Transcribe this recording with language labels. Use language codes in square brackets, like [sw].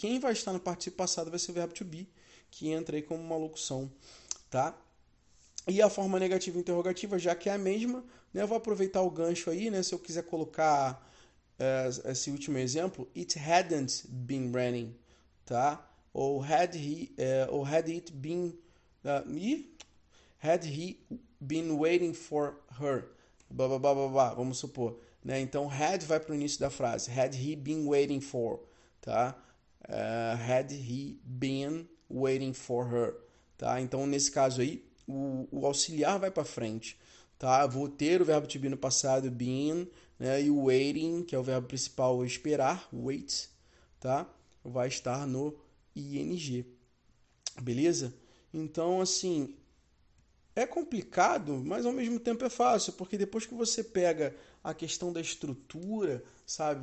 [pt] Quem vai estar no particípio passado vai ser o verbo to be, que entra aí como uma locução, tá? E a forma negativa interrogativa, já que é a mesma, né, eu vou aproveitar o gancho aí, né, se eu quiser colocar esse último exemplo, [en] it hadn't been raining, [pt] tá? [en] Ou had it been me? Had he been waiting for her? [pt] Blá, blá, blá, blá, blá, vamos supor, né? Então, had vai para o início da frase. [en] Had he been waiting for, tá? Had he been waiting for her, tá? [pt] Então, nesse caso aí, o auxiliar vai para frente, tá? Vou ter o verbo to be no passado, been, né? E o waiting, que é o verbo principal, esperar, wait, tá? Vai estar no ing. Beleza? Então, assim, é complicado, mas ao mesmo tempo é fácil, porque depois que você pega a questão da estrutura, sabe?